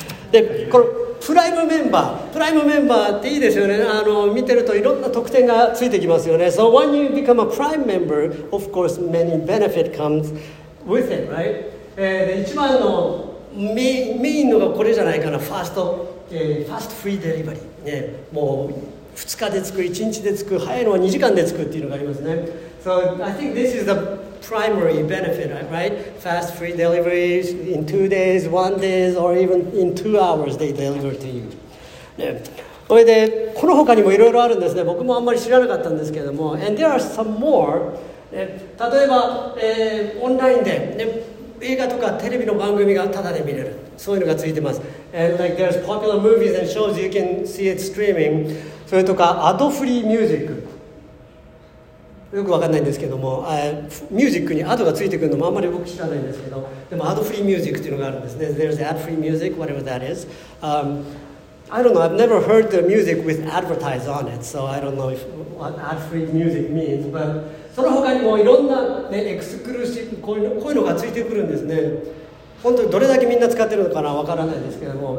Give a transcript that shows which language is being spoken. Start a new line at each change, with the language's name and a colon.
Japanese: で、このプライムメンバー、プライムメンバーっていいですよね。見てるといろんな特典がついてきますよね。
English: So when you become a prime member, of course, many benefit comes with it, right?
Japanese: 一番のメインのがこれじゃないかな、ファーストフリーデリバリー、ね、もう2日で着く、1日で着く、早いのは2時間で着くっていうのがありますね。
English: So I think this is the primary benefit, right? Fast free deliveries in 2 days, 1 days, or even in 2 hours they deliver to you.、
Japanese: ね、それでこの他にもいろいろあるんですね。僕もあんまり知らなかったんですけれども、
English: and there are some more、
Japanese: ね、例えば、オンラインで、ね、映画とかテレビの番組がタダで見れる、そういうのがついてます。
English: And like there's popular movies and shows you can see it streaming。
Japanese: それとかアドフリーミュージック。よくわかんないんですけども、ミュージックにアドがついてくるのもあんまり僕知らないんですけど、でもアドフリーミュージックっていうのがあるんですね。
English: There's ad-free music, whatever that is.、I don't know. I've never heard the music with advertise on it, so I don't know if what ad-free music means, but.
Japanese: その他にもいろんな、ね、エクスクルーシブ、こういうのがついてくるんですね。本当にどれだけみんな使ってるのかな、わからないですけども。